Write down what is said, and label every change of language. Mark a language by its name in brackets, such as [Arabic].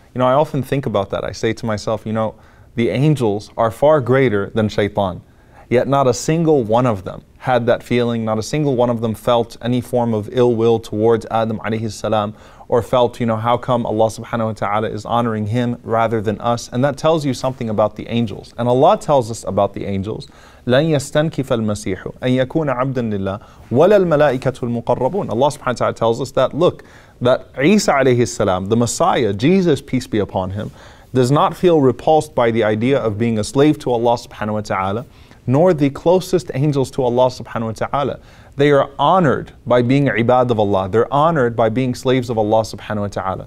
[English] You know, I often think about that. I say to myself, you know, the angels are far greater than Shaytan, yet not a single one of them had that feeling, not a single one of them felt any form of ill will towards Adam alayhi salam, or felt, you know, how come Allah subhanahu wa ta'ala is honoring him rather than us. And that tells you something about the angels. And Allah tells us about the angels, [Arabic] لَنْ يَسْتَنْكِفَ الْمَسِيحُ أَنْ يَكُونَ عَبْدًا لِلَّهِ وَلَا الْمَلَائِكَةُ الْمُقَرَّبُونَ. [English] Allah subhanahu wa ta'ala tells us that, look, that Isa alayhi salam, the Messiah, Jesus, peace be upon him, does not feel repulsed by the idea of being a slave to Allah subhanahu wa ta'ala, nor the closest angels to Allah subhanahu wa ta'ala. They are honored by being ibad of Allah. They're honored by being slaves of Allah subhanahu wa ta'ala.